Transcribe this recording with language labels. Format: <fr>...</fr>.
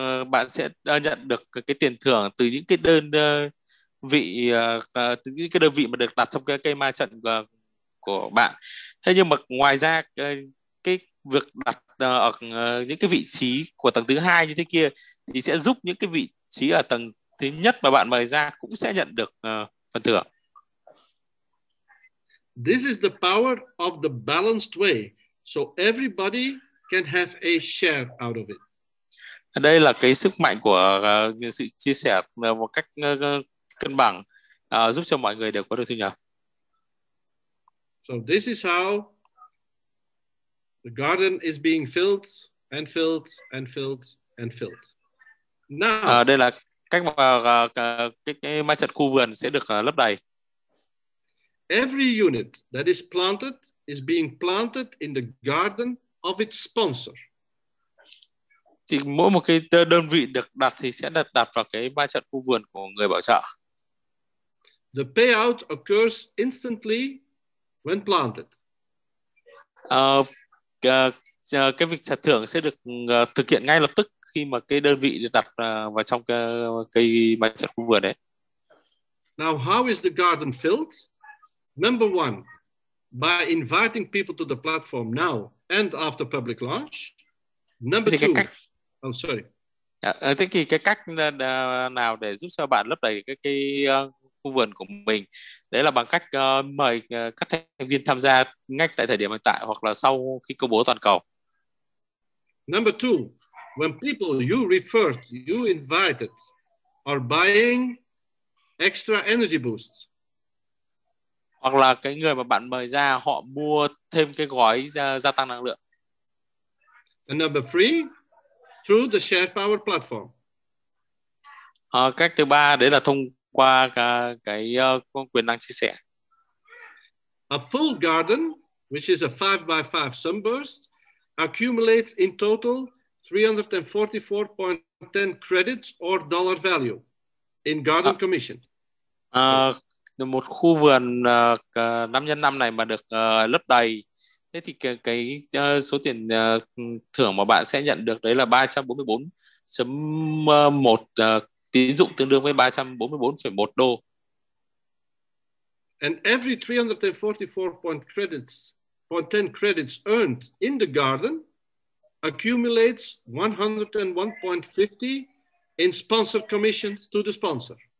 <vi>Bạn sẽ nhận được cái tiền thưởng từ những cái đơn vị từ những cái đơn vị mà được đặt trong cái cây ma trận của bạn. Thế nhưng mà ngoài ra cái việc đặt ở những cái vị trí của tầng thứ hai như thế kia thì sẽ giúp những cái vị trí ở tầng thứ nhất mà bạn mời ra cũng sẽ nhận được phần thưởng.</vi> <en>This is the power of the balanced way, so everybody can have a share out of it.</en> <vi>Đây là cái sức mạnh của sự chia sẻ một cách cân bằng, giúp cho mọi người đều có được thu nhập.</vi> <en>So this is how the garden is being filled and filled and filled and filled.</en> <vi>Now, đây là cách mà cái ma trận khu vườn sẽ được lấp đầy.</vi> <en>Every unit that is planted is being planted in the garden of its sponsor.</en> <vi>Thì mỗi một cái đơn vị được đặt thì sẽ được đặt vào cái ma trận khu vườn của người bảo trợ.</vi> <en>The payout occurs instantly when planted.</en> <vi>Cái việc trả thưởng sẽ được thực hiện ngay lập tức khi mà cái đơn vị được đặt vào trong cái ma trận khu vườn đấy.</vi> <en>Now how is the garden filled? Number one, by inviting people to the platform now and after public launch. Number two,</en> <vi>Thế thì cái cách nào để giúp cho bạn lấp đầy cái khu vườn của mình? Đấy là bằng cách mời các thành viên tham gia ngay tại thời điểm hiện tại hoặc là sau khi công bố toàn cầu.</vi> <en>Number two, when people you referred, you invited, are buying extra energy boosts.</en> <vi>Hoặc là cái người mà bạn mời ra họ mua thêm cái gói gia tăng năng lượng.</vi> <en>And number three, through the share power platform.</en> <vi>Cách thứ ba đấy là thông qua cái quyền năng chia sẻ.</vi> <en>A full garden, which is a 5x5 sunburst, accumulates in total 344.10 credits or dollar value in garden commission.</en> <vi>Một khu vườn 5x5 này mà được lấp đầy thế thì cái số tiền thưởng mà bạn sẽ nhận được đấy là 344.1 tín dụng tương đương với 344.1 đô.</vi> <en>And every 344.10 credits earned in the garden accumulates 101.50 in sponsor commissions to the sponsor.</en>